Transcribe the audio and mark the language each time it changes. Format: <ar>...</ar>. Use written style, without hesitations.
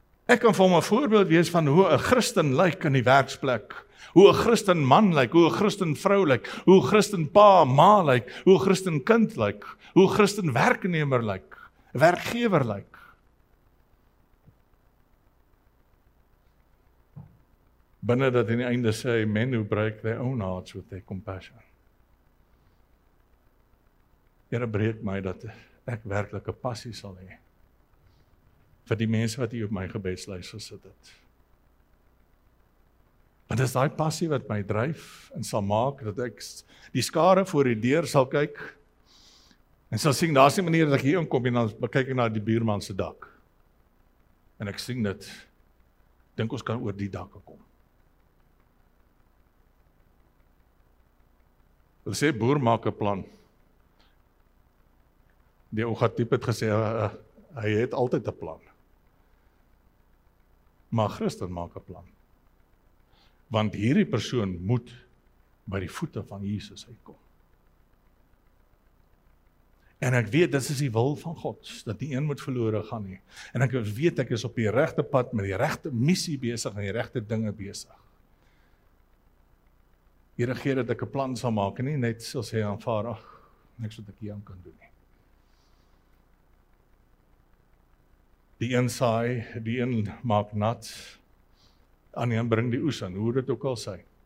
<af>Ek kan vir my voorbeeld wees van hoe 'n Christen lyk in die werksplek, hoe 'n Christen man lyk, hoe 'n Christen vrou lyk, hoe 'n Christen pa, ma lyk, hoe 'n Christen kind lyk, hoe 'n Christen werknemer lyk, werkgewer lyk. Binne dat in die einde sê,</af> <en>men who break their own hearts with their compassion.</en> <af>Here, breek my dat ek werklik 'n passie sal hê vir die mense wat hier op my gebedslys gesit het. Want dis daai passie wat my dryf en sal maak dat ek die skare voor die deur sal kyk en sal sien daar's nie manier dat ek hier inkom en dan kyk ek na die buurman se dak. En ek sien dit dink ons kan oor die dakke kom. Hulle sê boer maak 'n plan. Die Ogatiep het gesê hy het altyd 'n plan. Maar Christen maak 'n plan. Want hierdie persoon moet by die voete van Jesus uitkom. En ek weet, dit is die wil van God, dat die een moet verlore gaan nie. En ek weet, ek is op die regte pad, met die regte missie besig, en die regte dinge besig. Here gee dat ek 'n plan sal maak, en nie net sal sê aanvaar, ach, niks wat ek hier aan kan doen nie. Die een saai, die een maak nat, aan die een bring die oes aan, hoe dit ook al sy.</af>